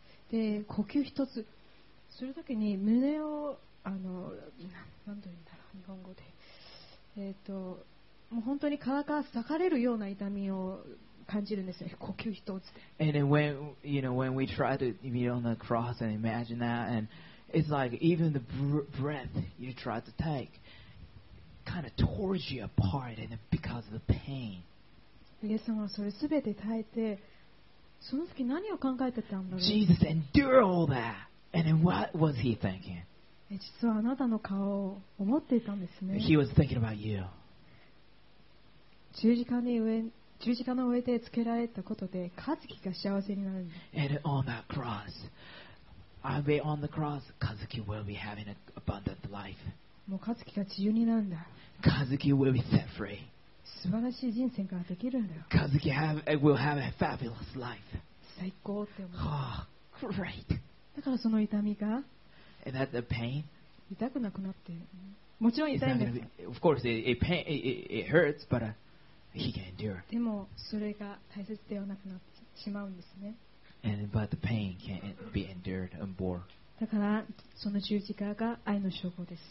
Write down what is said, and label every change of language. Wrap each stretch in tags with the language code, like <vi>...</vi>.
<ja>で呼吸一つするときに胸をなんと言うんだろう日本語で。もう本当に体が裂かれるような痛みを感じるんですね。呼吸一つで。</ja> <en>And when you know when we try to be on the cross and imagine that, and it's like even the breath you try to take kind of tore you apart, and because of the pain.</en> <ja>イエス様はそれすべて耐えて、その時何を考えてたんだろう。</ja> <en>Jesus endured all that, and then what was he thinking?</en> <ja>実はあなたの顔を思っていたんですね。</ja> <en>He was thinking about you.</en> <ja>十字架の上でつけられたことで、和樹が幸せになるんです。</ja> <en>And on that cross, I'll be on the cross. Kazuki will be having an abundant life.</en> <ja>もうカズキが自由になるんだ。</ja> <en>Kazuki will be set free.</en> <ja>素晴らしい人生ができるんだよ。</ja> <en>Kazuki will have a fabulous life.</en> <ja>最高って思う。</ja> <en>Oh, great.</en> <ja>だからその痛みが。</ja> <en>And that the pain.</en> <ja>痛くなくなって。もちろん痛いんです。</ja> <en>Of course, it hurts, but he can endure.</en> <ja>でもそれが大切ではなくなってしまうんですね。</ja> <en>And but the pain can be endured and bore.</en> <ja>だからその十字架が愛の証拠です。</ja>